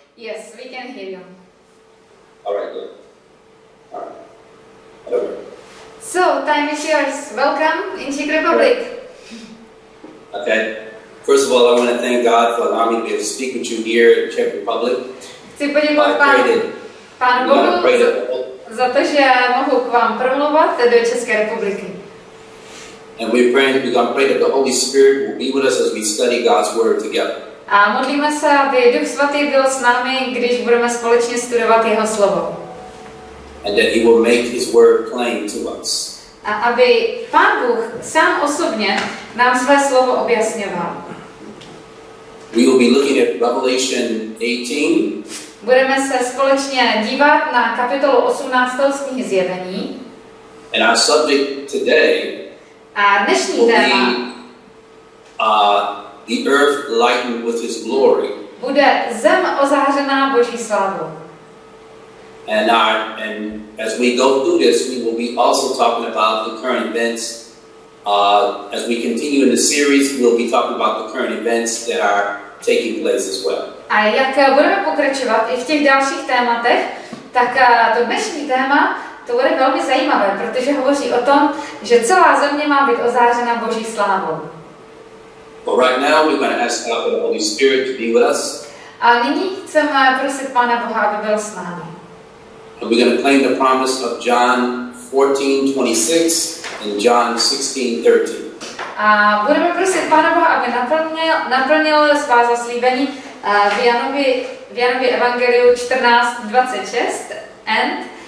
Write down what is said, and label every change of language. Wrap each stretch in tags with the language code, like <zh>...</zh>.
<en>Yes, we can hear you. All right, good. All right. Hello. So, time is yours. Welcome in Czech Republic. Okay. First of all, I want to thank God for allowing me to speak with you here in Czech Republic.</en> <cs>Chci poděkovat pánu Bohu za to, že mohu k vám promluvat do České republiky.</cs> <en>And we pray, that the Holy Spirit will be with us as we study God's word together.</en> <cs>A modlíme se, aby Duch svatý byl s námi, když budeme společně studovat jeho slovo.</cs> <en>And that he will make his word plain to us.</en> <cs>A aby pán Bůh sám osobně nám své slovo objasňoval.</cs> <en>We will be looking at Revelation 18.</en> <cs>Budeme se společně dívat na kapitolu 18. z knihy Zjevení.</cs> <en>And our subject today.</en> <cs>A dnešní téma.</cs> <en>The earth lightened with his glory.</en> <cs>Bude zem ozářená Boží slávou.</cs> <en>And as we go through this, we will be also talking about the current events. As we continue in the series, we'll be talking about the current events that are taking place as well.</en> <cs>A jak budeme pokračovat i v těch dalších tématech, tak to dnešní téma, to bude velmi zajímavé, protože hovoří o tom, že celá země má být ozářena Boží slávou.</cs> <en>But right now we're going to ask God for the Holy Spirit to be with us.</en> <cs>A nyní chceme prosit Pána Boha, aby byl s námi.</cs> <en>And we're going to claim the promise of John 14:26 and John 16:13.</en> <cs>A budeme prosit Pána Boha, aby naplnil svá zaslíbení v Janově evangeliu 14:26 and</cs>